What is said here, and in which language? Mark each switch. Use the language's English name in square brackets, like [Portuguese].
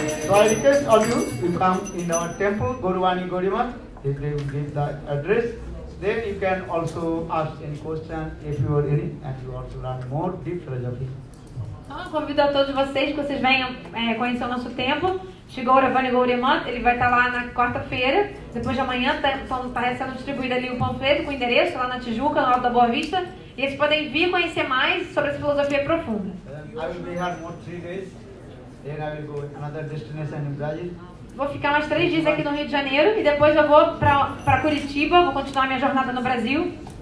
[English] All you will come in our temple, Gauravani Gaurimath. If they will give the address, then you can also ask any question if you are any, and you also learn more deep philosophy. [Portuguese] Então, eu convido a todos vocês que vocês venham conhecer o nosso templo. Chegou o Gauravani Gaurimath, ele vai estar lá na quarta-feira. Depois de amanhã, está sendo distribuído ali o panfleto com o endereço lá na Tijuca, no Alto da Boa Vista. E eles podem vir conhecer mais sobre essa filosofia profunda. [English] I will be here more 3 days. Then I will go another destination in Brazil. [Portuguese] Vou ficar mais 3 dias aqui no Rio de Janeiro e depois eu vou para Curitiba, vou continuar minha jornada no Brasil.